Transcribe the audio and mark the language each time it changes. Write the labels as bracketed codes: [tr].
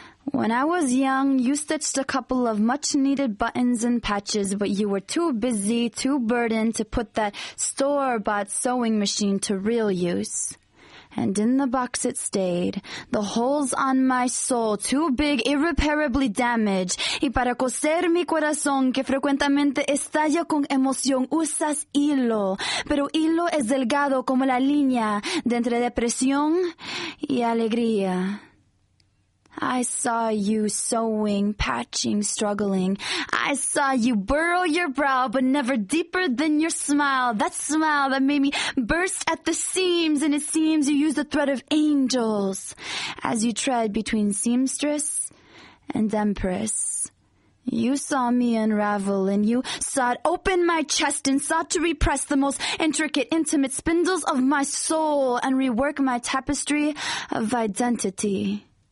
[en] When I was young, you stitched a couple of much-needed buttons and patches, but you were too busy, too burdened to put that store-bought sewing machine to real use. And in the box it stayed, the holes on my soul, too big, irreparably damaged. [es] Y para coser mi corazón, que frecuentemente estalla con emoción, usas hilo. Pero hilo es delgado como la línea de entre depresión y alegría. [en] I saw you sewing, patching, struggling. I saw you burrow your brow, but never deeper than your smile. That smile that made me burst at the seams, and it seems you use the thread of angels as you tread between seamstress and Empress. You saw me unravel, and you sought open my chest and sought to repress the most intricate, intimate spindles of my soul and rework my tapestry of identity.